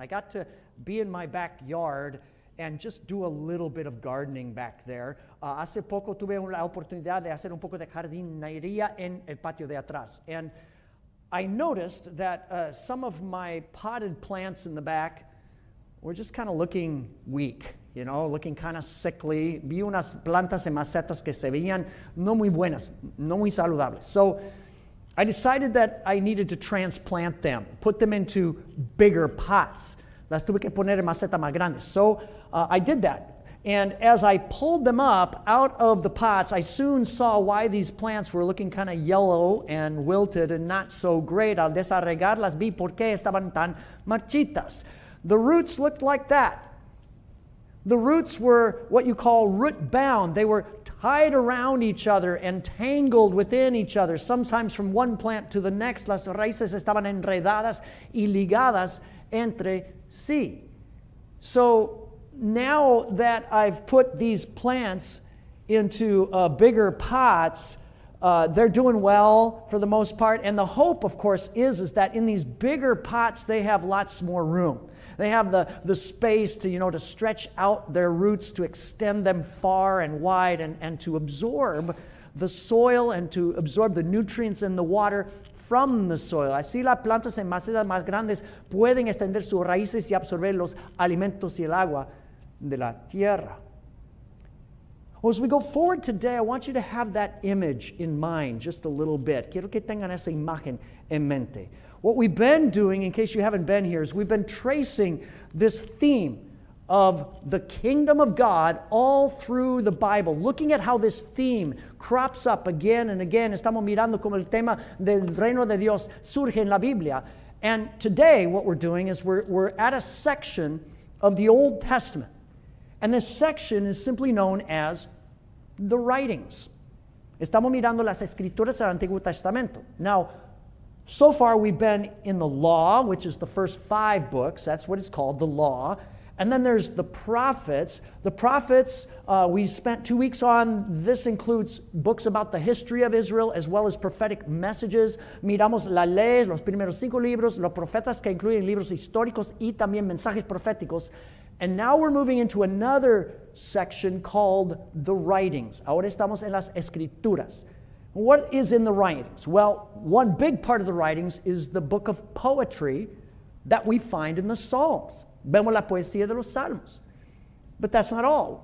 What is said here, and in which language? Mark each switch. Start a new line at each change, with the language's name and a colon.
English: I got to be in my backyard and just do a little bit of gardening back there.
Spanish: Hace poco tuve la oportunidad de hacer un poco de jardinería en el patio de atrás. And
English: I noticed that some of my potted plants in the back were just kind of looking weak, you know, looking kind of sickly.
Spanish: Vi unas plantas en macetas que se veían no muy buenas, no muy saludables.
English: So I decided that I needed to transplant them, put them into bigger pots.
Spanish: Las tuve que poner en maceta más grandes.
English: So I did that. And as I pulled them up out of the pots, I soon saw why these plants were looking kind of yellow and wilted and not so great.
Spanish: Al desarregarlas, vi por qué estaban tan marchitas.
English: The roots looked like that. The roots were what you call root bound. They were tied around each other and tangled within each other, sometimes from one plant to the next.
Spanish: Las raíces estaban enredadas y ligadas entre sí.
English: So now that I've put these plants into bigger pots, they're doing well for the most part. And the hope, of course, is that in these bigger pots, they have lots more room. They have the space to, you know, to stretch out their roots, to extend them far and wide, and to absorb the soil and to absorb the nutrients in the water from the soil.
Spanish: Así las plantas en macetas más grandes pueden extender sus raíces y absorber los alimentos y el agua de la tierra.
English: Well, as we go forward today, I want you to have that image in mind just a little bit.
Spanish: Quiero que tengan esa imagen en mente.
English: What we've been doing, in case you haven't been here, is we've been tracing this theme of the kingdom of God all through the Bible, looking at how this theme crops up again and again.
Spanish: Estamos mirando como el tema del reino de Dios surge en la Biblia.
English: And today, what we're doing is we're at a section of the Old Testament. And this section is simply known as the writings.
Spanish: Estamos mirando las escrituras del Antiguo Testamento.
English: Now, so far we've been in the law, which is the first five books. That's what it's called, the law. And then there's the prophets. The prophets, we spent 2 weeks on. This includes books about the history of Israel as well as prophetic messages.
Spanish: Miramos la ley, los primeros cinco libros, los profetas que incluyen libros históricos y también mensajes proféticos.
English: And now we're moving into another section called the writings.
Spanish: Ahora estamos en las escrituras.
English: What is in the writings? Well, one big part of the writings is the book of poetry that we find in the Psalms.
Spanish: Vemos la poesía de los Salmos.
English: But that's not all.